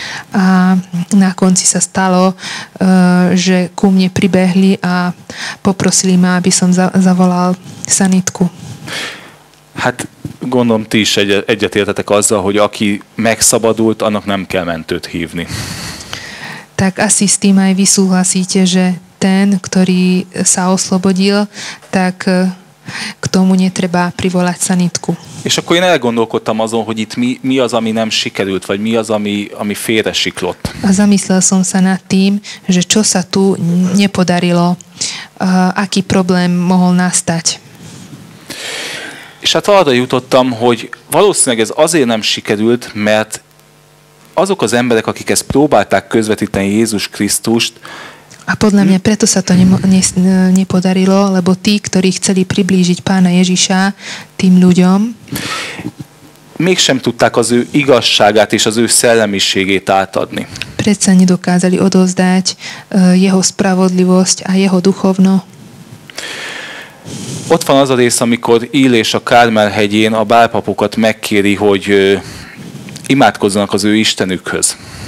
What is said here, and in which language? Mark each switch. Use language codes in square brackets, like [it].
[sk] A na konci sa stalo, že ku mne pribehli a poprosili ma, aby som zavolal sanitku. [hu] Hát gondolom, ti is egyetértetek azzal, hogy aki megszabadult, annak nem kell mentőt hívni. [sk] Tak asi s tým aj vy súhlasíte, že ten, ktorý sa oslobodil, tak k tomu netreba privolať sanitku. [hu] És akkor én elgondolkodtam azon, hogy itt mi az, ami nem sikerült, vagy mi az, ami félre siklott. [sk] A zamyslel som sa nad tým, že čo sa tu nepodarilo, aký problém mohol nastať. [hu] És hát arra jutottam, hogy valószínűleg ez azért nem sikerült, mert azok az emberek, akik ezt próbálták közvetíteni Jézus Krisztust. [sk] A podľa mňa preto sa to nepodarilo, lebo tí, ktorí chceli priblížiť Pána Ježiša tým ľuďom, [hu] mégsem tudták az ő igazságát és az ő szellemiségét átadni. [sk] Predsa nedokázali odovzdať jeho spravodlivosť a jeho duchovno. [hu] Ott van az a rész, amikor Illés a Kármel hegyén a bálpapokat megkéri, hogy imádkozzanak az ő istenükhöz.